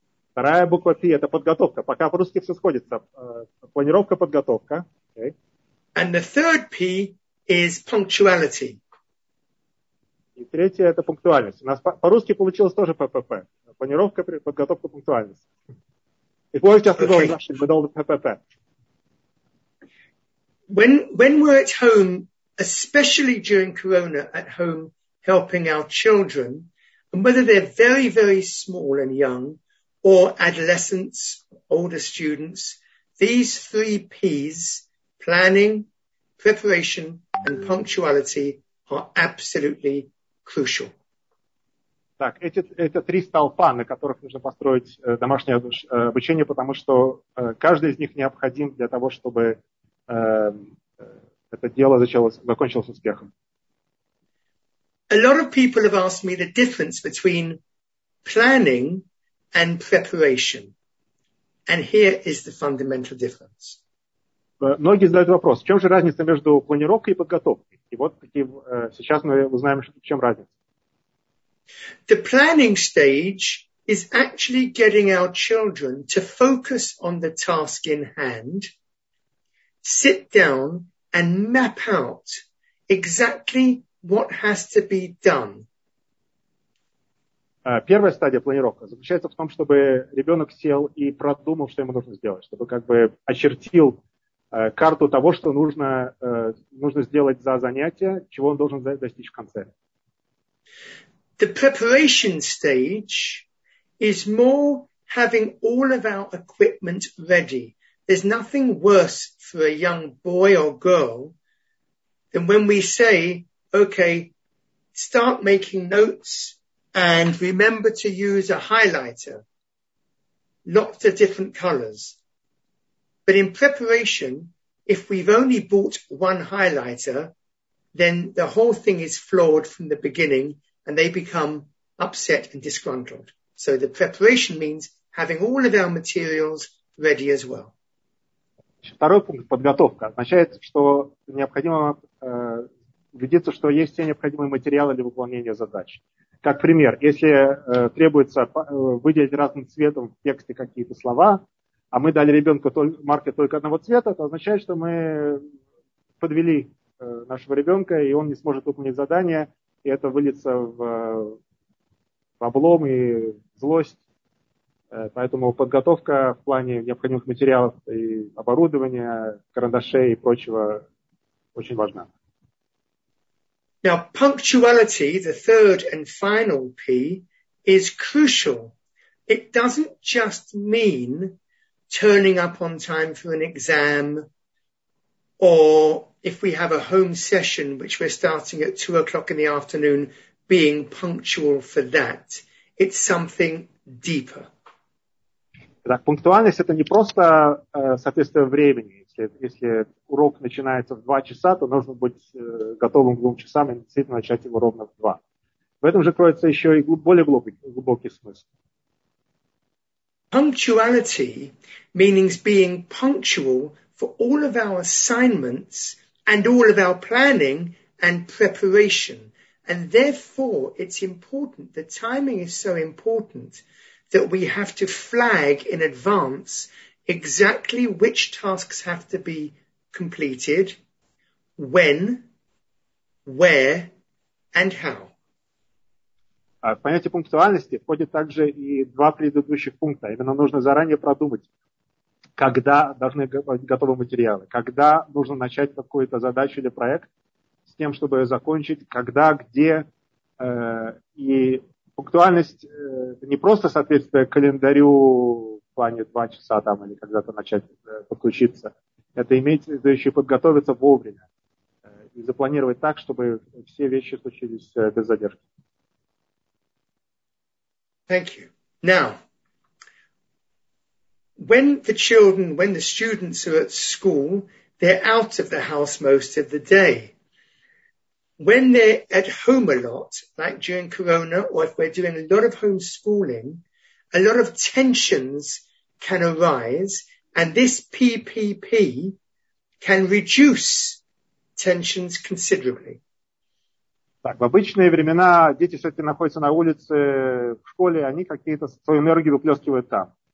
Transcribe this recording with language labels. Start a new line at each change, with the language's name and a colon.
Russian: Вторая буква P – это подготовка. Пока по-русски все сходится. Планировка, подготовка.
English: Okay. And the third P is punctuality.
Russian: И третье – это пунктуальность. У нас по-русски получилось тоже ППП. Планировка, подготовка, пунктуальность. И вот сейчас мы должны ППП.
English: When we're at home, especially during Corona, at home, helping our children, and whether they're very, very small and young, or adolescents, older students, these three P's, planning, preparation, and punctuality, are absolutely crucial.
Russian: Так, это три столпа, на которых нужно построить домашнее обучение, потому что каждый из них необходим для того, чтобы это дело закончилось успехом.
English: A lot of people have asked me the difference between planning and preparation. And here is the fundamental difference.
Russian: Многие задают вопрос, в чем же разница между планировкой и подготовкой? И вот такие, сейчас мы узнаем, в чем разница.
English: The planning stage is actually getting our children to focus on the task in hand, sit down and map out exactly what has to be done.
Russian: Первая стадия планировки заключается в том, чтобы ребенок сел и продумал, что ему нужно сделать, чтобы как бы очертил карту того, что нужно сделать за занятие, чего он должен достичь в конце.
English: The preparation stage is more having all of our equipment ready. There's nothing worse for a young boy or girl than when we say, okay, start making notes and remember to use a highlighter. Lots of different colors. But in preparation, if we've only bought one highlighter, then the whole thing is flawed from the beginning. And they become upset and disgruntled. So the preparation means having all of our materials ready as well.
Russian: Второй пункт – подготовка. Означает, что необходимо убедиться, что есть все необходимые материалы для выполнения задач. Как пример, если требуется выделить разным цветом в тексте какие-то слова, а мы дали ребенку маркер только одного цвета, то означает, что мы подвели нашего ребенка, и он не сможет выполнить задание, и это выльется в облом и злость. Поэтому подготовка в плане необходимых материалов и оборудования, карандашей и прочего очень важна.
English: Now, punctuality, the third and final P, is crucial. It doesn't just mean turning up on time for an exam or if we have a home session, which we're starting at 2 o'clock in the afternoon, being punctual for that. It's something deeper.
Russian: Так, пунктуальность – это не просто соответствие времени. Если урок начинается в 2 часа, то нужно быть готовым к 2 часам и действительно начать его ровно в 2. В этом же кроется еще и более глубокий смысл.
English: Punctuality means being punctual for all of our assignments and all of our planning and preparation. And therefore, it's important, the timing is so important, that we have to flag in advance exactly which tasks have to be completed, when, where, and how.
Russian: В понятие пунктуальности входит также и 2 предыдущих пункта. Именно нужно заранее продумать, когда должны быть готовы материалы, когда нужно начать какую-то задачу или проект с тем, чтобы ее закончить, когда, где. И пунктуальность не просто соответствие календарю в плане 2 часа там или когда-то начать подключиться. Это иметь, да еще и подготовиться вовремя и запланировать так, чтобы все вещи случились без задержки.
English: Thank you. Now, when the students are at school, they're out of the house most of the day. When they're at home a lot, like during Corona, or if we're doing a lot of homeschooling, a lot of tensions can arise, and this PPP can reduce tensions considerably.
Russian: Так, в обычные времена дети все-таки находятся на улице, в школе, они какие-то свою энергию выплескивают там.